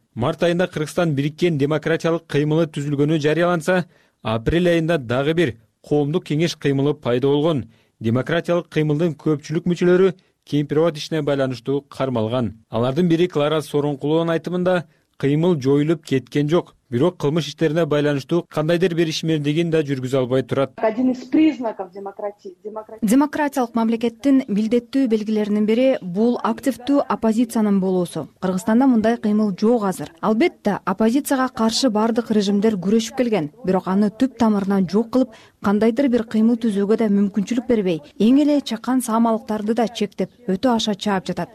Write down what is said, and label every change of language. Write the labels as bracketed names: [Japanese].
[Kyrgyz] Март айында Кыргызстан бириккен демократиялык кыймылы түзүлгөнү жарыяланса, апрель айында дагы бир коомдук кеңеш кыймылы пайда болгон. Демократиялык кыймылдын көпчүлүк мүчөлөрү кемпирот ишине байланыштуу кармалган. Алардын бири Клара Сорункулованын айтымында кыймыл жоюлуп кеткен жок, Бирок кылмыш иштерине байланыштуу кандайдыр бир ишмердигин да жүргүзө албай турат. [Russian] Один из признаков демократии. [Kyrgyz] Демократиялык мамлекеттин милдеттүү белгилеринин бири бул активдүү оппозициянын болуусу. Кыргызстанда мындай кыймыл жок азыр. Албетте, оппозицияга каршы бардык режимдер күрөшүп келген, бирок аны түп тамырынан жок кылып, кандайдыр бир кыймыл түзүүгө да мүмкүнчүлүк бербей, эң эле чакан саамалыктарды да чектеп, өтө аша чаап жатат.